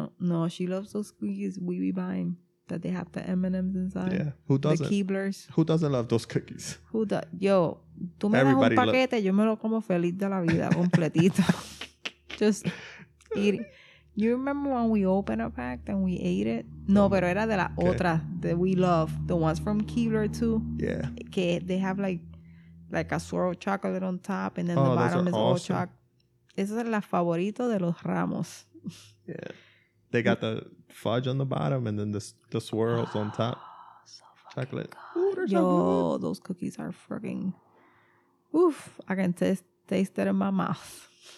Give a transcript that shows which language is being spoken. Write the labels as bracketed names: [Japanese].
[English] No, she loves those cookies we be buying that they have the M&M's inside. Yeah, who doesn't? The Keeblers. Who doesn't love those cookies? Who does? [Spanish] Yo, tú me das un paquete, yo me lo como feliz de la vida, completito. [English] Just eating. You remember when we opened a pack and we ate it? [Spanish] No, pero era de la otra [English] that we love. The ones from Keebler too. Yeah. Que they have like a swirl of chocolate on top and then the bottom is all chocolate. [Spanish] Esos son las favoritos de los Ramos. [English] Yeah. They got the fudge on the bottom and then the swirls on top. So chocolate. Ooh, yo, so those cookies are freaking... Oof. I can taste it in my mouth.